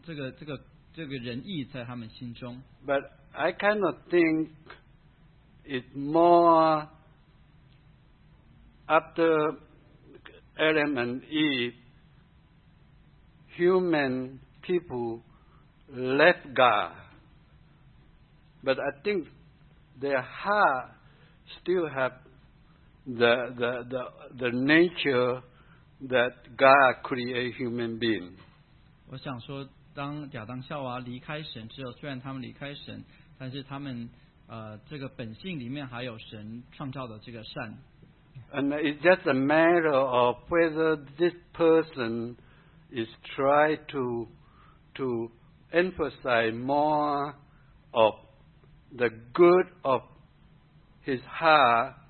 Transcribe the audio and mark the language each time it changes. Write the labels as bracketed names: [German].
[Chinese] 我想说，在亚当夏娃之后，人还是有这个好，这个仁义在他们心中。But [English] I kind of think it's more after Adam and Eve, human people left God. But I think their heart still have. The nature that God created human being. [Chinese] 我想说，当亚当夏娃离开神之后，虽然他们离开神，但是他们这个本性里面还有神创造的这个善。And [English] it's just a matter of whether this person is trying to emphasize more of the good of his heart.